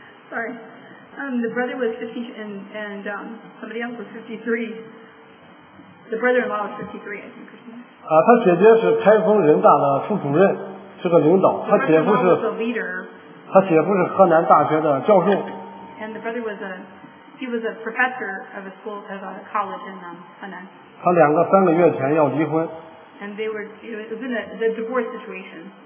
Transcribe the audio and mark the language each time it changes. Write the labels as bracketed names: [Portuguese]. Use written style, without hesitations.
[English] Sorry, the brother was 50 and somebody else was 53. The brother-in-law was 53. [Chinese] 他姐姐是开封人大的副主任，是个领导。他姐夫是河南大学的教授。 [English] And the brother was a He was a professor of a school, of a college in Henan. [Chinese] 他两个3个月前要离婚。 [English] And they were, it was in the divorce situation.